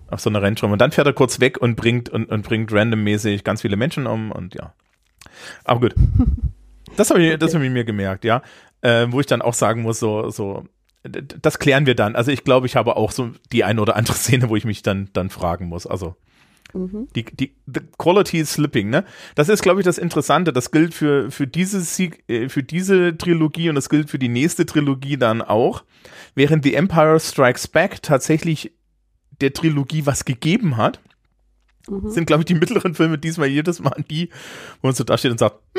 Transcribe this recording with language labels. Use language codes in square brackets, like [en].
[de] Auf so einer Ranch rum. Und dann fährt er kurz weg und bringt randommäßig ganz viele Menschen um und ja. Aber gut. Das hab ich mir gemerkt, ja. Wo ich dann auch sagen muss, so, das klären wir dann. Also ich glaube, ich habe auch so die eine oder andere Szene, wo ich mich dann fragen muss. Also. [en] Die the quality is slipping, ne? [de] Das ist, glaube ich, das Interessante. Das gilt für diese Trilogie und das gilt für die nächste Trilogie dann auch. Während The Empire Strikes Back tatsächlich der Trilogie was gegeben hat, sind, glaube ich, die mittleren Filme diesmal jedes Mal die, wo man so da steht und sagt,